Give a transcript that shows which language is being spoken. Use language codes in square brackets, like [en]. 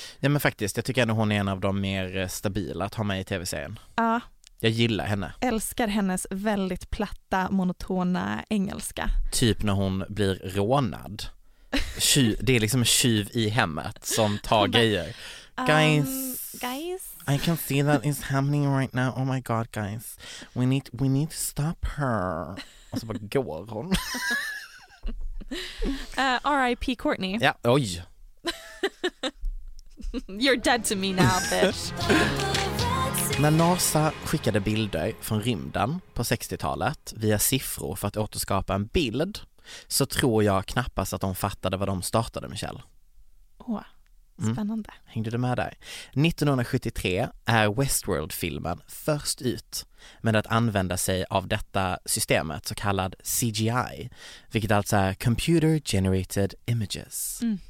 [sv] Ja, men faktiskt, jag tycker ändå hon är en av de mer stabila att ha med i tv-serien. Ja. Jag gillar henne. Älskar hennes väldigt platta, monotona engelska. Typ när hon blir rånad. Det är liksom en tjuv i hemmet som tar grejer. [en] Guys, I can see that is happening right now. Oh my god, guys. We need to stop her. [sv] Och så bara går hon. R.I.P. Kourtney. Ja, oj. [en] You're dead to me now, bitch. [sv] När NASA skickade bilder från rymden på 60-talet via siffror för att återskapa en bild, så tror jag knappast att de fattade vad de startade, Michelle. Åh, spännande. Hängde du med där? 1973 är Westworld-filmen först ut med att använda sig av detta systemet, så kallad CGI, vilket alltså är Computer Generated Images.